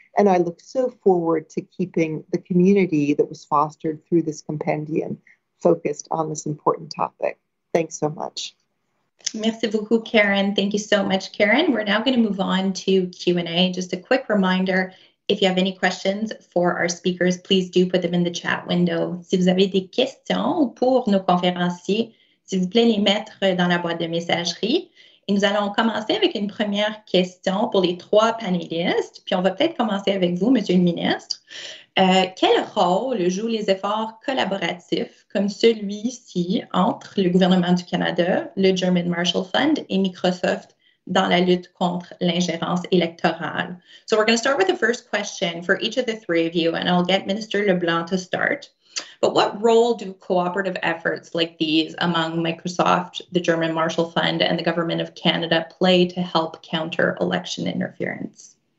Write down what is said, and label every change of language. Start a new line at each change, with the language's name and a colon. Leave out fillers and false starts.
English: And I look so forward to keeping the community that was fostered through this compendium focused on this important topic. Thanks so much.
French: Merci beaucoup,
English: Karen. Thank you so much, Karen. We're now going to move on to Q&A. Just a quick reminder, if you have any questions for our speakers, please do put them in the chat window.
French: Si vous avez des questions pour nos conférenciers, s'il vous plaît, les mettre dans la boîte de messagerie. Et nous allons commencer avec une première question pour les trois panélistes. Puis on va peut-être commencer avec vous, Monsieur le ministre. Quel rôle jouent les efforts collaboratifs comme celui-ci entre le gouvernement du Canada, le German Marshall Fund et Microsoft dans la lutte contre l'ingérence électorale?
English: So we're going to start with the first question for each of the three of you, and I'll get Minister LeBlanc to start. But what role do cooperative efforts like these among Microsoft, the German Marshall Fund, and the Government of Canada play to help counter election interference?